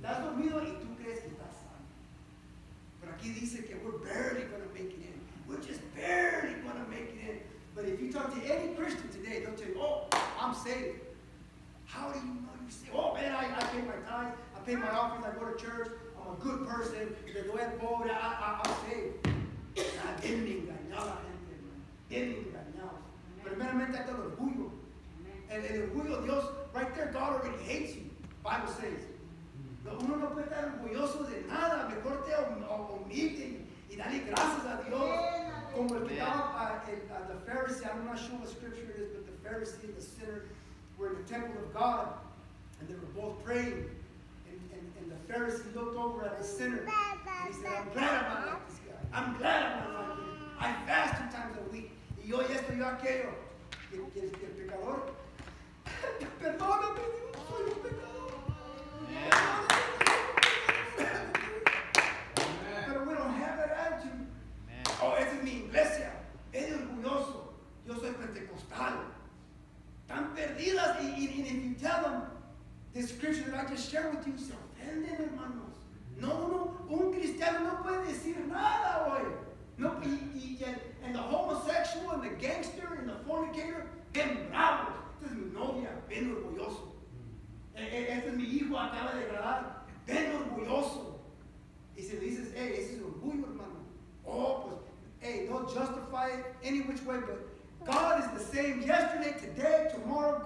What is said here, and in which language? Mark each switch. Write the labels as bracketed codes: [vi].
[es] Estás dormido y tú crees que estás sano. Pero aquí dice que [en] we're barely going to make it in. We're just barely going to make it in. But if you talk to any Christian today, they'll tell you, oh, I'm saved. How do you know you're saved? Oh, man, I pay my tithe. I pay my offerings. I go to church. I'm a good person. The duet pobre, I'm saved. I didn't [es] engañar a gente, [en] man. Didn't engañar. [es] Primeramente está el orgullo. [en] And el orgullo, Dios, right there, God already hates you. Bible says. [es] Uno no puede estar orgulloso de nada. Mejor te omite y dale gracias a Dios. Como el que estaba [en] the Pharisee, I'm not sure what scripture it is, but the Pharisee and the sinner were in the temple of God. And they were both praying. And the Pharisee looked over at the sinner. And he said, I'm glad I'm not like this guy. I'm glad I'm not like this. I fast 2 times a week. [es] Y hoy esto yo aquello, que el pecador, perdóname, Dios, soy un pecador. Amen. [en] Pero we don't have that attitude. Amen. [es] Oh, esa es mi iglesia. Es orgulloso. Yo soy pentecostal. Están perdidas. [en] Y if you tell them the scripture that I just shared with you, [es] se ofenden, hermanos. No, un cristiano no puede decir nada hoy. [en] No, and the homosexual and the gangster and the fornicator, [es] bien bravos. Esta es mi novia, bien orgulloso. Este es mi hijo, acaba de agradar, bien orgulloso. Y si le dices, hey, ese es orgullo, hermano. [en] Oh, pues, hey, don't justify it any which way, but God is the same yesterday, today, tomorrow.